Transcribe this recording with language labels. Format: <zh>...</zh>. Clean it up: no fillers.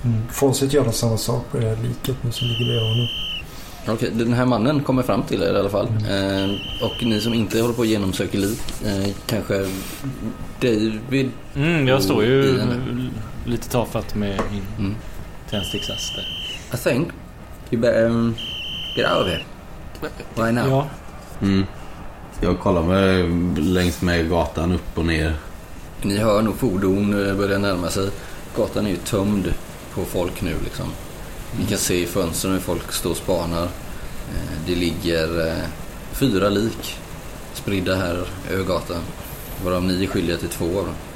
<sv>Fonset gör samma sak på det här liket nu som ligger där nu. Okej, den här mannen kommer fram till er i alla fall. Och ni som inte håller på att genomsöka lik, kanske David. Jag står ju lite tafatt med min tändsticksaste.</sv> <en>I think you better get out of here. Why now?</en> <sv>Ja. Jag kollar mig längs med gatan upp och ner. Ni hör nog fordon börja närma sig. Gatan är ju tömd på folk nu liksom. Ni kan se i fönstren hur folk står och spanar. Det ligger fyra lik spridda här över gatan, varav ni är skyldiga till två av dem.</sv>